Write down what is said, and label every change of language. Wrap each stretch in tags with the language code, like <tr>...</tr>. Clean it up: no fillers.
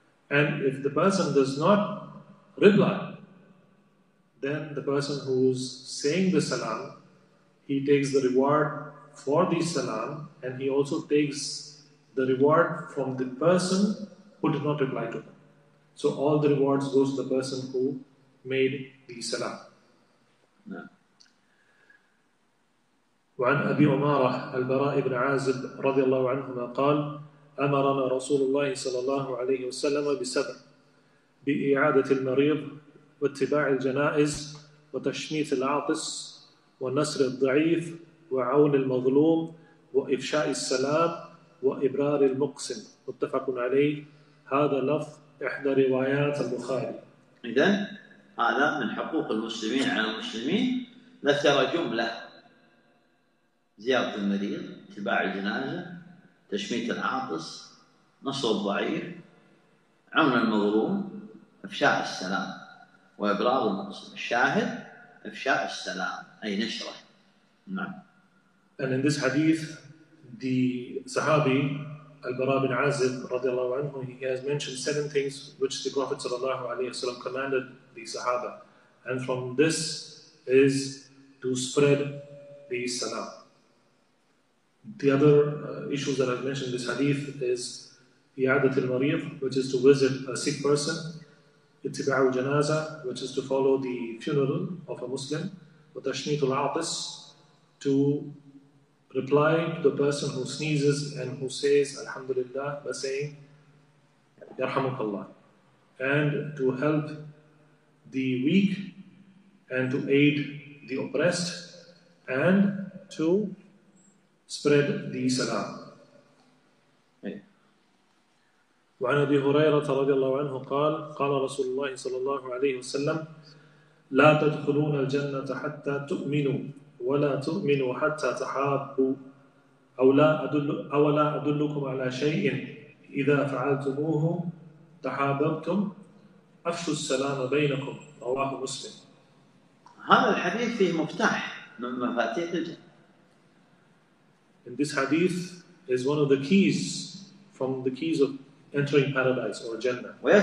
<en>And if the person does not reply, then the person who is saying the salam, he takes the reward for the salam, and he also takes the reward from the person who did not reply to him. So all the rewards goes to the person who made the salam.</en> <ar>وعن أبي عمارة البراء بن عازب رضي الله عنهما قال أمرنا رسول الله صلى الله عليه وسلم بسبع: بإعادة المريض، واتباع الجنائز، وتشميت العاطس، ونصر الضعيف، وعون المظلوم، وإفشاء السلام، وإبرار المقسم. متفق عليه. هذا لفظ إحدى روايات البخاري. إذن هذا من حقوق المسلمين على المسلمين، نثر جملة: زيارة المريض، اتباع الجنازة، تشميت العاطس، نصر الضعيف، عون المظلوم، افشاء السلام، وابراز المقصد. الشاهد افشاء السلام اي نشره. نعم.</ar> <en>And in this hadith, the Sahabi البراء بن عازب</en> <ar>رضي الله عنه,</ar> <en>he has mentioned seven things which the Prophet</en> <ar>صلى الله عليه وسلم</ar> <en>commanded the Sahaba. And from this is to spread the salam. The other issues that I've mentioned in this hadith is i'adat al-mariyf, which is to visit a sick person,</en> <ar>ittiba' al-janaza,</ar> <en>which is to follow the funeral of a Muslim,</en> <ar>wa tashmit al-aatis,</ar> <en>to reply to the person who sneezes and who says alhamdulillah by saying yarhamukallah, and to help the weak and to aid the oppressed and to spread the salam.</en> <ar>وعن أبي هريرة رضي الله عنه قال قال رسول الله صلى الله عليه وسلم لا تدخلون الجنة حتى تؤمنوا ولا تؤمنوا حتى تحابوا أولا أدلكم على شيء إذا فعلتموه تحاببتم أفشوا السلام بينكم. رواه مسلم. هذا الحديث فيه مفتاح من مفاتيح الجنة.</ar> <en>And this hadith is one of the keys from the keys of entering paradise or Jannah.</en>